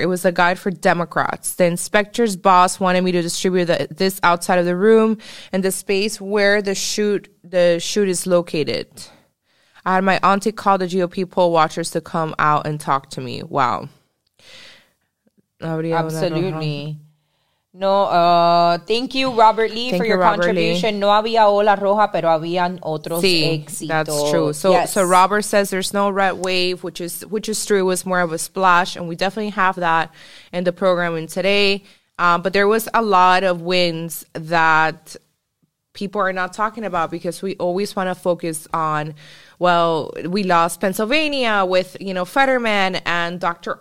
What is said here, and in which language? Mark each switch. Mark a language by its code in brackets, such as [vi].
[en] It was a guide for Democrats. The inspector's boss wanted me to distribute this outside of the room and the space where the shoot is located. I had my auntie call the GOP poll watchers to come out and talk to me. Wow. Absolutely. No, thank you, Robert Lee, thank for your you, contribution. [es] Lee. No había ola roja, pero habían otros éxitos. [en] That's true. So Robert says there's no red wave, which is true. It was more of a splash, and we definitely have that in the programming today. But there was a lot of wins that people are not talking about because we always want to focus on, well, we lost Pennsylvania with, you know, Fetterman and Dr.